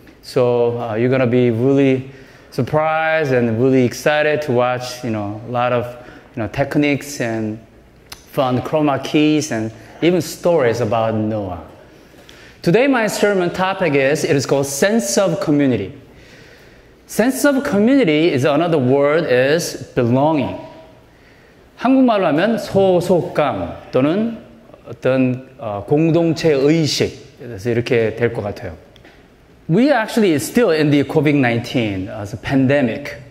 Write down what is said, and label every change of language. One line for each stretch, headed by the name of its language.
English: So you're going to be really surprised and really excited to watch, you know, a lot of, you know, techniques and fun chroma keys and even stories about Noah. Today, my sermon topic is, it is called Sense of Community. Sense of community is another word is belonging.
Korean: 한국말로 하면 소속감 또는 어떤 공동체 의식 이렇게 될 것 같아요.
English: We actually still in the COVID-19 as a pandemic.